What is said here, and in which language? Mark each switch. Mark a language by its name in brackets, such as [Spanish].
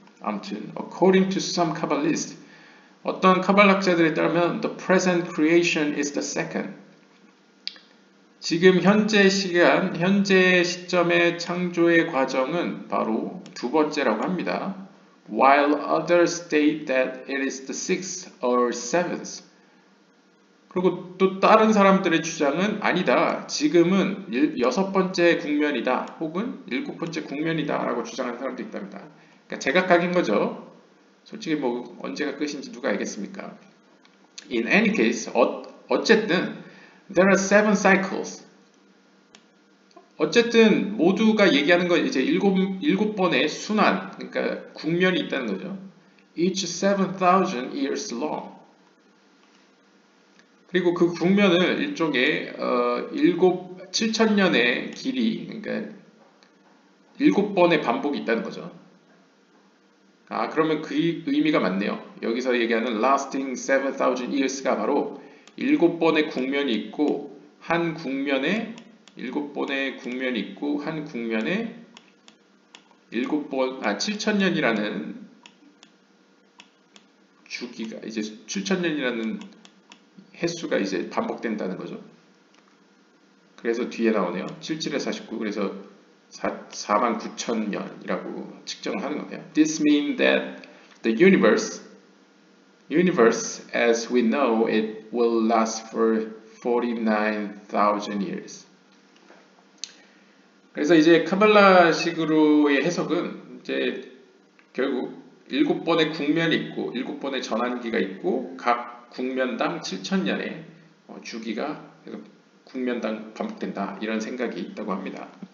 [Korean] 아무튼, [English] according to some Kabbalists, [Korean] 어떤 카발락자들에 따르면 [English] the present creation is the second. [Korean] 지금 현재 시간, 현재 시점의 창조의 과정은 바로 두 번째라고 합니다. [English] While others state that it is the sixth or seventh. [Korean] 그리고 또 다른 사람들의 주장은 아니다. 지금은 여섯 번째 국면이다. 혹은 일곱 번째 국면이다. 라고 주장하는 사람도 있답니다. 그러니까 제각각인 거죠. 솔직히 뭐 언제가 끝인지 누가 알겠습니까? [English] In any case, 어쨌든, there are seven cycles. [Korean] 어쨌든, 모두가 얘기하는 건 이제 일곱 번의 순환, 그러니까 국면이 있다는 거죠. [English] Each 7,000 years long. [Korean] 그리고 그 국면을 일종의 7000년의 길이, 그러니까 일곱 번의 반복이 있다는 거죠. 아, 그러면 그 의미가 맞네요. 여기서 얘기하는 [English] lasting 7000 years [Korean] 가 바로 일곱 번의 국면이 있고 한 국면에 일곱 번의 국면이 있고 한 국면에 일곱 번, 아, 7000년이라는 주기가 이제 7000년이라는 횟수가 이제 반복된다는 거죠. 그래서 뒤에 나오네요. 77에 49, 그래서 49,000년이라고 측정을 하는 거네요. [English] This means that the universe as we know it will last for 49,000 years. [Korean] 그래서 이제 카발라식으로의 해석은 이제 결국 일곱 번의 국면이 있고 일곱 번의 전환기가 있고 각 국면당 7000년의 주기가 국면당 반복된다 이런 생각이 있다고 합니다.